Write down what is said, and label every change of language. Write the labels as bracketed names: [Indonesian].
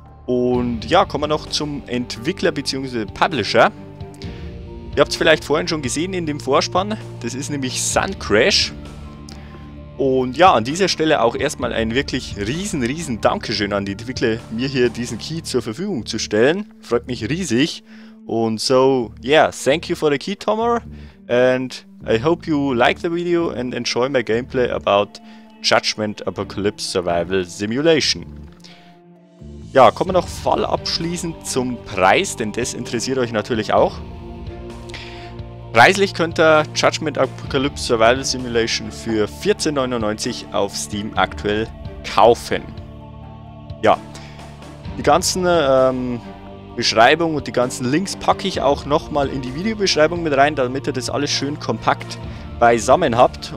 [German] Und ja, kommen wir noch zum Entwickler bzw. Publisher. Ihr habt es vielleicht vorhin schon gesehen in dem Vorspann, das ist nämlich Suncrash. Und ja, an dieser Stelle auch erstmal ein wirklich riesen Dankeschön an die Entwickler, mir hier diesen Key zur Verfügung zu stellen. Freut mich riesig. Und so, [English] yeah, thank you for the key, Tomer. And I hope you like the video and enjoy my gameplay about Judgment Apocalypse Survival Simulation. [German] Ja, kommen wir noch fallabschließend zum Preis, denn das interessiert euch natürlich auch. Preislich könnt ihr Judgment Apocalypse Survival Simulation für 14,99 € auf Steam aktuell kaufen. Ja, die ganzen Beschreibungen und die ganzen Links packe ich auch nochmal in die Videobeschreibung mit rein, damit ihr das alles schön kompakt beisammen habt.